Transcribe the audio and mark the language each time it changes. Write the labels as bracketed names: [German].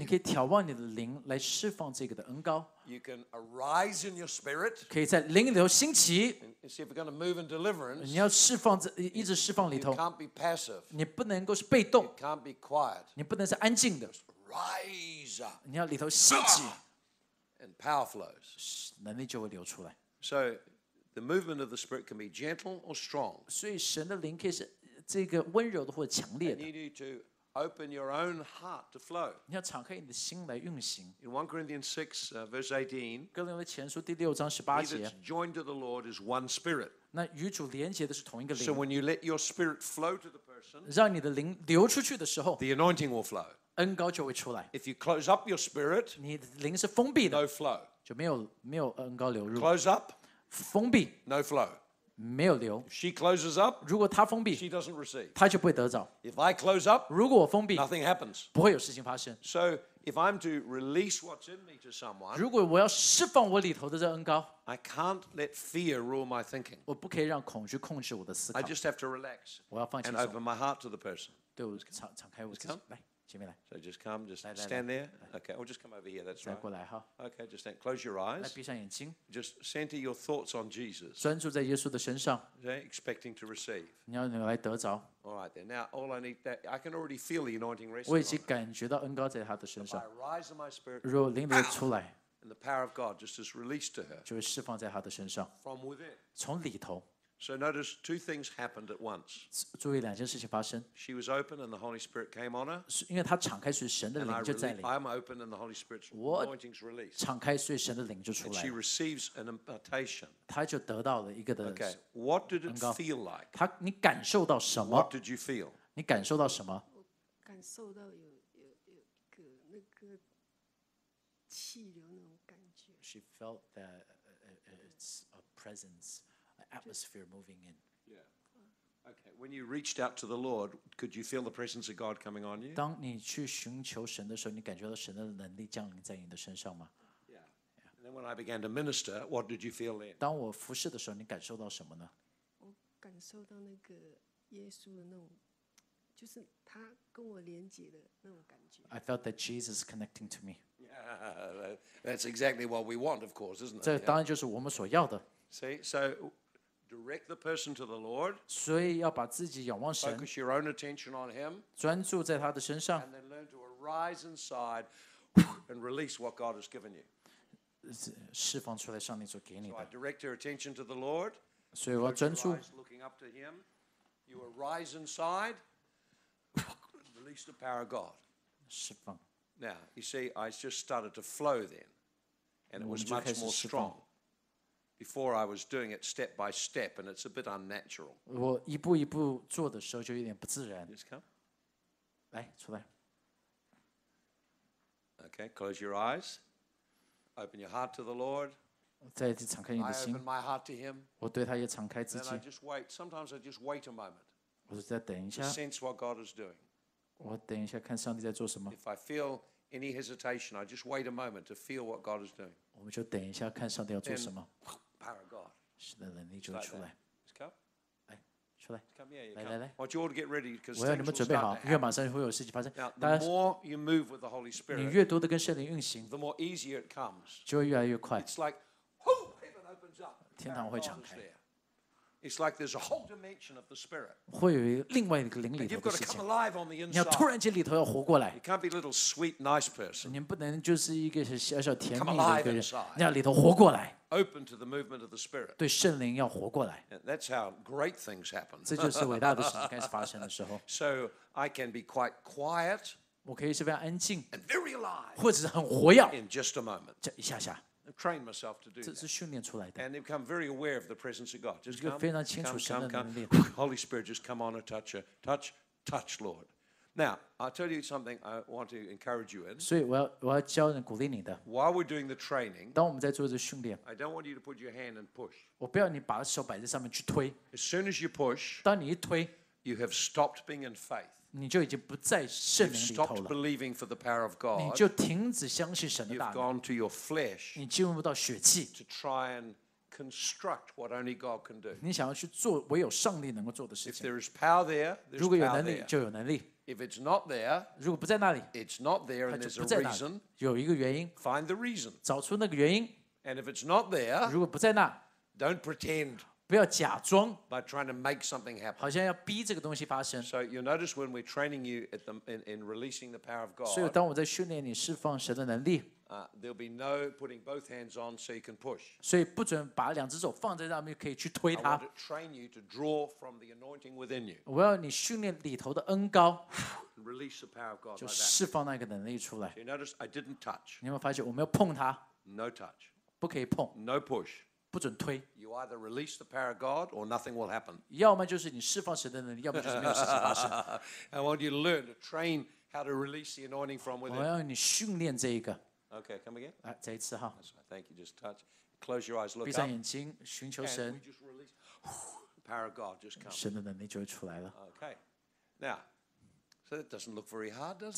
[Chinese] 你可以挑旺你的灵来释放这个的恩膏。 [English] You can arise in your spirit. [Chinese] 可以在灵里头兴起。 [English] And see if you're going to move in deliverance. [Chinese] 你要释放一直释放里头。 [English] You can't be passive. [Chinese] 你不能够是被动。 [English] You can't be quiet. [Chinese] 你不能是安静的。 [English] Rise up. [Chinese] 你要里头兴起。 [English] And power flows. [Chinese] 能力就会流出来。 [English] So the movement of the spirit can be gentle or strong. [Chinese] 所以神的灵可以是这个温柔的或强烈的。 [English] You need to open your own heart to flow. [Chinese] 你要敞开你的心来运行。 [English] In 1 Corinthians 6, verse 18, [Chinese] 哥林多前书第六章十八节。 [English] He that's joined to the Lord is one spirit. [Chinese] 那与主连接的是同一个灵。 [English] So when you let your spirit flow to the person, [Chinese] 让你的灵流出去的时候 [English] ，the anointing will flow. [Chinese] 恩膏就会出来。 [English] If you close up your spirit, [Chinese] 你的灵是封闭的 [English] ，no flow. [Chinese] 就没有恩膏流入。 [English] Close up, [Chinese] 封闭 [English] ，no flow. [Chinese] 没有流。 [English] She closes up. [Chinese] 如果她封闭 [English] ，She doesn't receive. [Chinese] 她就不会得着。 [English] If I close up, [Chinese] 如果我封闭 [English] ，Nothing happens. [Chinese] 不会有事情发生。 [English] So if I'm to release what's in me to someone, [Chinese] 如果我要释放我里头的这恩膏 [English] ，I can't let fear rule my thinking. [Chinese] 我不可以让恐惧控制我的思考。 [English] I just have to relax. [Chinese] 我要放轻松。 [English] And open my heart to the person. [Chinese] 对，我敞开我自己。 [English] Come? [Chinese] 来，前面来。 [English] So just come, just [Chinese] 来 [English] stand [Chinese] 来 [English] there. [Chinese] 来 [English] okay, or just come over here. That's [Chinese] 来来过来哈。 [English] Okay, just stand. Close your eyes. [Chinese] 来，闭上眼睛。 [English] Just center your thoughts on Jesus. [Chinese] 专注在耶稣的身上。 [English] Okay, expecting to receive. [Chinese] 你要来得着。 [English] All right, then. Now, all I need that I can already feel the anointing resting. [Chinese] 我已经感觉到恩膏在他的身上。 [English] If I rise in my spirit, [Chinese] 如果灵流出来 [English] ，and the power of God just is released to her, [Chinese] 就会释放在他的身上。 [English] From within, [Chinese] 从里头。 [English] So notice two things happened at once. [Chinese] 注意两件事情发生。 [English] She was open and the Holy Spirit came on her. [Chinese] 因为她敞开，所以神的灵就在里。 [English] I'm open and the Holy Spirit's anointing is released. [Chinese] 敞开，所以神的灵就出来。 [English] And she receives an impartation. [Chinese] 她就得到了一个的。 [English] Okay. What did it feel like? [Chinese] 她，你感受到什么 [English] ？What did you feel? [Chinese] 你感受到什么？我感受到有一个那个气流那种感觉。 [English] She felt that it's a presence. Atmosphere moving in. Yeah. Okay. When you reached out to the Lord, could you feel the presence of God coming on you? [Chinese] 当你去寻求神的时候，你感觉到神的能力降临在你的身上吗？ [English] Yeah. And then when I began to minister, what did you feel then? [Chinese] 当我服侍的时候，你感受到什么呢？我感受到那个耶稣的那种，就是他跟我连接的那种感觉。 [English] I felt that Jesus connecting to me. Yeah. That's exactly what we want, of course, isn't it? [Chinese] 这当然就是我们所要的。 [English] See, so. Direct the person to the Lord. [Chinese] 所以要把自己仰望神。 [English] Focus your own attention on Him. [Chinese] 专注在他的身上。 [English] And then learn to arise inside and release what God has given you. [Chinese] 释放出来上帝所给你的。 [English] So I direct your attention to the Lord. [Chinese] 所以我要专注。 [English] Looking up to Him, you arise inside, release the power of God. [Chinese] 释放。 [English] Now you see, I just started to flow then, and it was much more strong. Before I was doing it step by step, and it's a bit unnatural. [Chinese] 我一步一步做的时候就有点不自然。 [English] Just come. [Chinese] 来，出来。 [English] Okay, close your eyes. Open your heart to the Lord. [Chinese] 再次敞开你的心。 [English] I open my heart to Him. [Chinese] 我对他也敞开自己。 [English] Then I just wait. Sometimes I just wait a moment. [Chinese] 我就再等一下。 [English] To sense what God is doing. [Chinese] 我等一下看上帝在做什么。 [English] If I feel any hesitation, I just wait a moment to feel what God is doing. [Chinese] 我们就等一下看上帝要做什么。 [English] Power of God. [Chinese] 神的能力就出来。 [English] Come, [Chinese] 出来。 [English] Come here. [Chinese] 来来来。 [English] I want you all to get ready because [Chinese] 我要你们准备好，因为马上会有事情发生。 [English] Now, the more you move with the Holy Spirit, [Chinese] 你越多的跟圣灵运行 [English] ，the more easier it comes. [Chinese] 就会越来越快。 [English] It's like, whoo, heaven opens up. [Chinese] 天堂会敞开。 [English] It's like there's a whole dimension of the spirit. [Chinese] 会有另外一个灵里头的事情。你要突然间里头要活过来。 [English] You can't be a little sweet nice person. [Chinese] 你不能就是一个小小甜蜜的一个人。你要里头活过来。 [English] Open to the movement of the spirit. [Chinese] 对圣灵要活过来。 [English] That's how great things happen. [Chinese] 这就是伟大的事情开始发生的时候。 [English] So I can be quite quiet. [Chinese] 我可以是非常安静。 [English] And very alive. [Chinese] 或者是很活跃。 [English] In just a moment. [Chinese] 这一下下。 [English] Train myself to do that. [Chinese] 这是训练出来的。 [English] And they become very aware of the presence of God. Just come, come. Holy Spirit, just come on and touch her. Touch, touch, Lord. Now, I'll tell you something I want to encourage you in. [Chinese] 所以我要教人鼓励你的。 [English] While we're doing the training, [Chinese] 当我们在做这训练 [English] I don't want you to put your hand and push. [Chinese] 我不要你把手摆在上面去推。 [English] As soon as you push, [Chinese] 当你一推 [English] You have stopped being in faith. [Chinese] 你就已经不在圣灵里头了。 [English] You've stopped believing for the power of God. [Chinese] 你就停止相信神的大能。 [English] You've gone to your flesh. [Chinese] 你进入到血气。 [English] To try and construct what only God can do. [Chinese] 你想要去做唯有上帝能够做的事情。 [English] If there is power there, there's power there. [Chinese] 如果有能力，就有能力。 [English] If it's not there, [Chinese] 如果不在那里， [English] it's not there, and there's a reason. [Chinese] 有一个原因。 [English] Find the reason. [Chinese] 找出那个原因。 [English] And if it's not there, [Chinese] 如果不在那， [English] don't pretend. [Chinese] 不要假装。 [English] By trying to make something happen. [Chinese] 好像要逼这个东西发生。 [English] So you notice when we're training you at the in releasing the power of God. [Chinese] 所以当我在训练你释放神的能力。 [English] There'll be no putting both hands on so you can push. [Chinese] 所以不准把两只手放在上面可以去推它。 [English] I want to train you to draw from the anointing within you. [Chinese] 我要你训练里头的恩膏。 [English] Release the power of God. [Chinese] 就释放那个能力出来。 [English] So、you notice I didn't touch. [Chinese] 你有没有发现我没有碰它 [English] ？No touch. [Chinese] 不可以碰。 [English] No push. [Chinese] 不准推。 [English] You either release the power of God or nothing will happen. [Chinese] 要么就是你释放神的能力，要么就是没有事情发生。 [English] I want you to learn to train how to release the anointing from within. [Chinese] 我要你训练这一个。 [English] Okay, come again. [Chinese] 来，再一次哈。 [English] Thank you. Just touch. Close your eyes. Look up. [Chinese] 闭上眼睛，寻求神。 [English] And we just release the power of God. Just come. [Chinese] 神的能力就会出来了。 [English] Okay. Now, so that doesn't look very hard, does it?